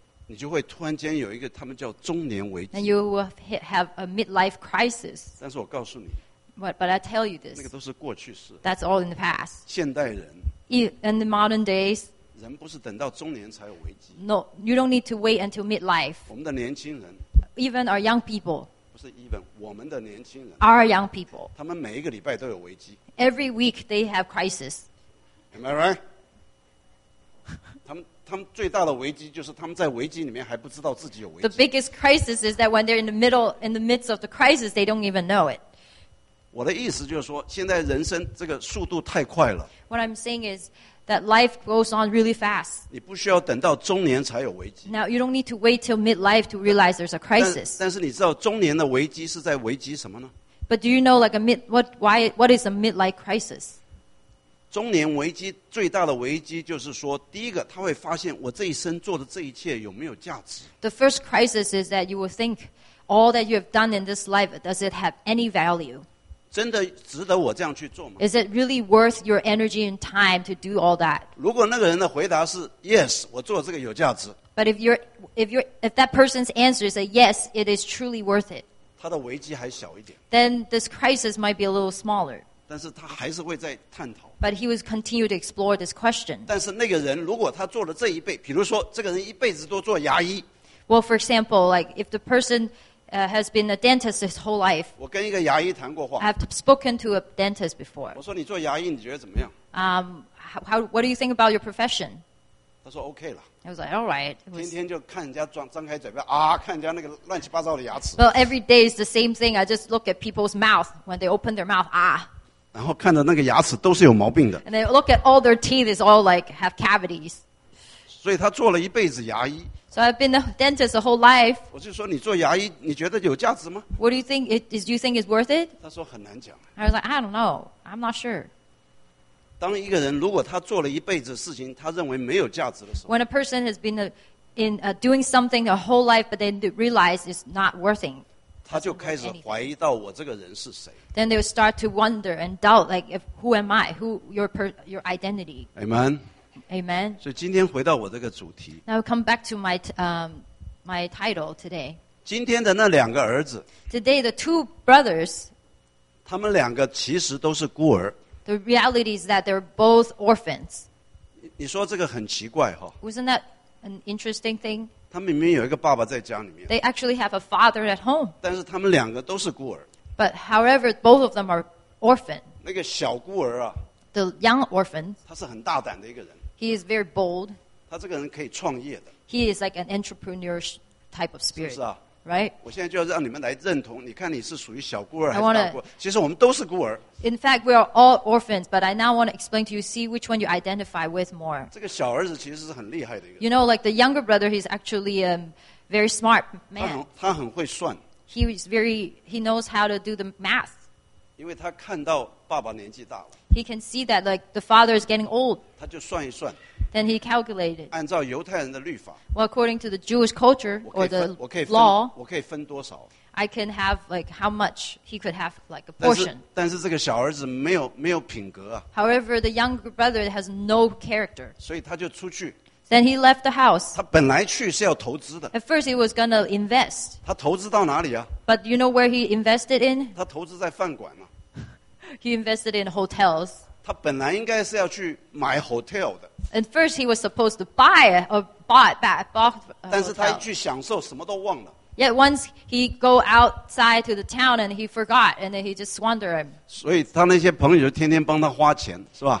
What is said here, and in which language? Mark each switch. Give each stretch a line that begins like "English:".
Chinese: 你就会突然间有一个他们叫中年危机
English: and you will have a midlife crisis.
Chinese: 但是我告诉你
English: but I tell you this,
Chinese: 那个都是过去式
English: that's all in the past.
Chinese: 现代人
English: in the modern days,
Chinese: 人不是等到中年才有危机
English: no, you don't need to wait until midlife.
Chinese: 我们的年轻人
English: even our young people,
Chinese: Even, 我们的年轻人
English: our young people
Chinese: 他们每一个礼拜都有危机
English: every week they have crisis am I right
Chinese: 他们最大的危机就是他们在危机里面还不知道自己有危机
English: the biggest crisis is that when they're in the midst of the crisis they don't even know it
Chinese: 我的意思就是说现在人生这个速度太快了
English: what I'm saying is that life goes on really fast
Chinese: 你不需要等到中年才有危机
English: now you don't need to wait till midlife to realize there's a crisis
Chinese: 但是你知道中年的危机是在危机什么呢
English: but do you know like a mid what is a midlife crisis
Chinese: 中年危机最大的危机就是说第一个他会发现我这一生做的这一切有没有价值
English: the first crisis is that you will think all that you have done in this life does it have any value
Chinese: 真的值得我这样去做吗
English: Is it really worth your energy and time to do all that?
Chinese: 如果那个人的回答是 Yes, 我做这个有价值
English: But if that person's answer is a yes, it is truly worth it.
Chinese: 他的危机还小一点
English: Then this crisis might be a little smaller.
Chinese: 但是他还是会在探讨
English: But he will continue to explore this question.
Chinese: 但是那个人如果他做了这一辈比如说这个人一辈子都做牙医
English: Well, for example, like if the personhas been a dentist his whole life.
Chinese: 我跟一个牙医谈过话。
English: I've spoken to a dentist before.
Chinese: 我说你做牙医你觉得怎么样
English: what do you think about your profession?
Chinese: 他说 OK 了。
English: I was like, all right.
Chinese: 天天就看人家张开嘴巴啊，看人家那个乱七八糟的牙齿。
English: Well, every day is the same thing. I just look at people's mouth when they open their mouth. Ah.
Chinese: 然后看着那个牙齿都是有毛病的。
English: And they look at all their teeth is all like have cavities.
Chinese: 所以他做了一辈子牙医。
English: So I've been a dentist the whole life.
Chinese: 我就说你做牙医，你觉得有价值吗
English: ？What do you think? Do you think it's worth it?
Chinese: 他说很难讲。
English: I was like, I don't know. I'm not sure.
Chinese: 当一个人如果他做了一辈子事情，他认为没有价值的时候
English: ，When a person has been doing something their whole life, but they realize it's not worth it,
Chinese: 他就开始怀疑到我这个人是谁。
English: Then they will start to wonder and doubt, like if who am I? Who your identity? Amen. Amen.
Chinese: 所以今天回到我这个主题。
English: Now come back to my title today.
Chinese: 今天的那两个儿子。
English: Today the two brothers.
Chinese: 他们两个其实都是孤儿。
English: The reality is that they're both orphans.
Chinese: 你说这个很奇怪哈。
English: Wasn't that an interesting thing?
Chinese: 他们明明有一个爸爸在家里面。
English: They actually have a father at home.
Chinese: 但是他们两个都是孤儿。
English: But however, both of them are orphans.
Chinese: 那个小孤儿啊。
English: The young orphan.
Chinese: 他是很大胆的一个人。
English: He is very bold.
Chinese: 他这个人可以创业的。
English: He is like an entrepreneur type of spirit.
Chinese: 是不是啊
English: ？Right.
Chinese: 我现在就要让你们来认同。你看你是属于小孤儿还是大孤儿？其实我们都是孤儿。
English: In fact, we are all orphans. But I now want to explain to you, see which one you identify with more.
Chinese: 这个小儿子其实是很厉害的一个。
English: You know, like the younger brother, he's actually a very smart man.
Chinese: 他很会算。
English: He is very. He knows how to do the math.
Chinese: 因为他看到爸爸年纪大了。
English: He can see that like, the father is getting old.
Chinese: 他就算一算。
English: Then he calculated.
Chinese: 按照犹太人的律法。
English: Well, according to the Jewish culture or the law,
Chinese: 我可以分多少。
English: I can have like, how much he could have like, a portion.
Chinese: 但是这个小儿子没有品格啊。
English: However, the younger brother has no character.
Chinese: 所以他就出去。
English: Then he left the house.
Chinese: 他本来去是要投资的。
English: At first he was going to invest.
Chinese: 他投资到哪里啊
English: But you know where he invested in?
Chinese: 他投资在饭馆啊。
English: He invested in hotels.
Chinese: 他本来应该是要去买 hotel 的。
English: And first he was supposed to buy or bought back bought.
Chinese: 但是他去享受，什么都忘了。
English: Yet once he go outside to the town and he forgot, and then he just wandered.
Chinese: 所以他那些朋友天天帮他花钱，是吧